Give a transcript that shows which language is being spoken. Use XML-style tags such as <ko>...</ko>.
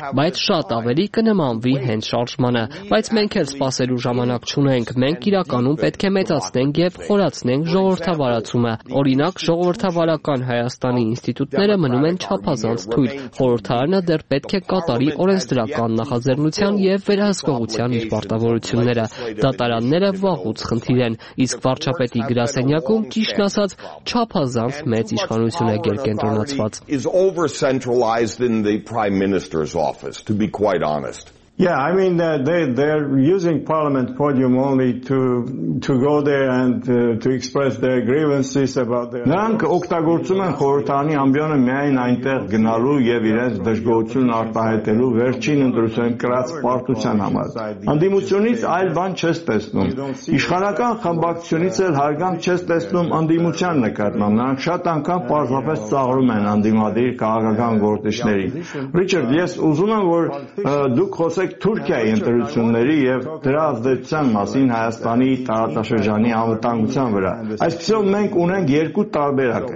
<hy>բայց շատ ավելի կնմանվի հենց շարժմանը։ Բայց մենք էլ սպասելու ժամանակ չունենք, մենք իրականում պետք է մեծացնենք և խորացնենք ժողովրդավարացումը։ Օրինակ, ժողովրդավարական Հայաստանի ինստիտուտները մնում են չափազանց թույլ, խորհրդարանը դեռ պետք է կատարի օրենսդրական նախաձեռնության և վերահսկողության իր պարտավորությունները, դատարանները վաղուց խնդիր են, իսկ վարչապետի գրասենյակում, ճիշտ ասած, չափազանց մեծ իշխանություն է կենտրոնացված։</hy> <en>Over-centralized in the Prime Minister's office, to be quite honest. Yeah, I mean they're using Parliament podium only to go there and to express their grievances about their.</en> <hy>Նրանք օգտագործում են խորհրդարանի ամբիոնը միայն այնտեղ գնալու և իրենց դժգոհությունն արտահայտելու վերջին ընտրությունից պարտության համար։ Անդիմությունից այլ բան չես տեսնում, իշխանական խմբակցությունից էլ հարգանք չես տեսնում անդիմության նկատմամբ, նրանք շատ անգամ պարզապես ծաղրում են անդիմադիր քաղաքական գործիչներին։ Ռիչարդ, ես ուզում եմ, որ դուք ասեք Թուրքիայի ընտրությունների և դրա ազդեցության մասին Հայաստանի տարածաշրջանի անվտանգության վրա։ Այսպիսով մենք ունենք երկու տարբերակ.</hy>